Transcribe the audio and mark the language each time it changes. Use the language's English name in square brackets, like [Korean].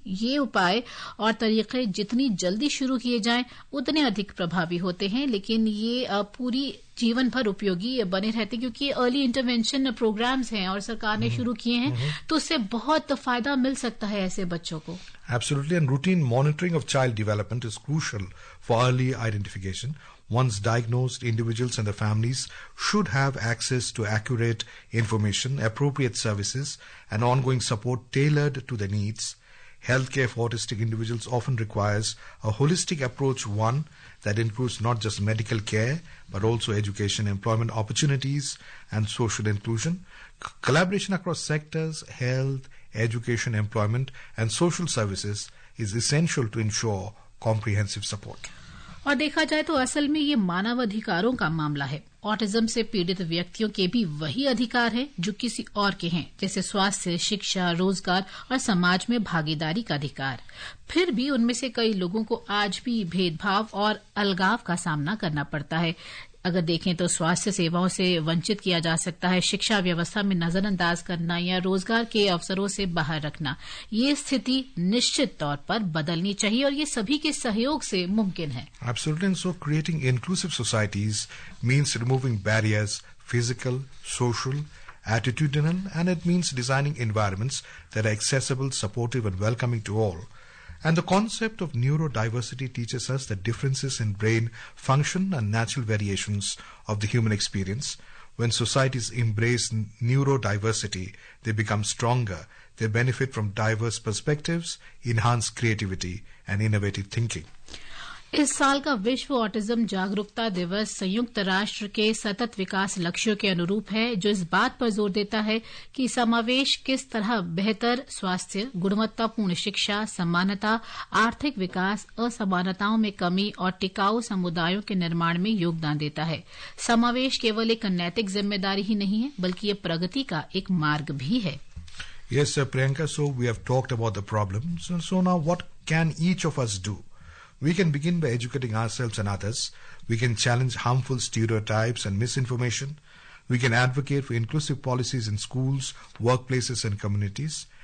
[Hindi] ये उपाय और तरीके जितनी जल्दी शुरू किए जाएं उतने अधिक प्रभावी होते हैं, लेकिन ये पूरी जीवन भर उपयोगी बने रहते क्योंकि अर्ली इंटरवेंशन प्रोग्राम्स हैं और सरकार ने शुरू किए हैं, तो उससे बहुत फायदा मिल सकता है ऐसे बच्चों को। [English] Absolutely, and routine monitoring of child development is crucial for early identification. Once diagnosed, individuals and the families should have access to accurate information, appropriate services and ongoing support tailored to their needs. Healthcare for autistic individuals often requires a holistic approach, one that includes not just medical care, but also education, employment opportunities, and social inclusion. Collaboration across sectors, health, education, employment, and social services is essential to ensure comprehensive support. [Hindi] और देखा जाए तो असल में ये मानव अधिकारों का मामला है। ऑटिज्म से पीड़ित व्यक्तियों के भी वही अधिकार हैं जो किसी और के हैं, जैसे स्वास्थ्य, शिक्षा, रोजगार और समाज में भागीदारी का अधिकार। फिर भी उनमें से कई लोगों को आज भी भेदभाव और अलगाव का सामना करना पड़ता है। अगर देखें तो स्वास्थ्य सेवाओं से वंचित किया जा सकता है, शिक्षा व्यवस्था में नजरअंदाज करना या रोजगार के अवसरों से बाहर रखना। ये स्थिति निश्चित तौर पर बदलनी चाहिए और ये सभी के सहयोग से मुमकिन है। [English] Absolutely, so creating inclusive societies means removing barriers, physical, social, attitudinal, and it means designing environments that are accessible, supportive and welcoming to all. And the concept of neurodiversity teaches us the differences in brain function and natural variations of the human experience. When societies embrace neurodiversity, they become stronger. They benefit from diverse perspectives, enhance creativity and innovative thinking. [Hindi] इस साल का विश्व autism जागरूकता दिवस संयुक्त राष्ट्र के सतत विकास लक्ष्यों के अनुरूप है, जो इस बात पर जोर देता है कि समावेश किस तरह बेहतर स्वास्थ्य, गुणवत्तापूर्ण शिक्षा, समानता, आर्थिक विकास, असमानताओं में कमी और टिकाऊ समुदायों के निर्माण में योगदान देता है। समावेश केवल एक नैतिक जिम्मेदारी ही नहीं है, बल्कि यह प्रगति का एक मार्ग भी है। [English] Yes, sir, Priyanka, so we have talked about the problems. So now what can each of us do? We can begin by educating ourselves and others. We can challenge harmful stereotypes and misinformation. We can advocate for inclusive policies in schools, workplaces and communities.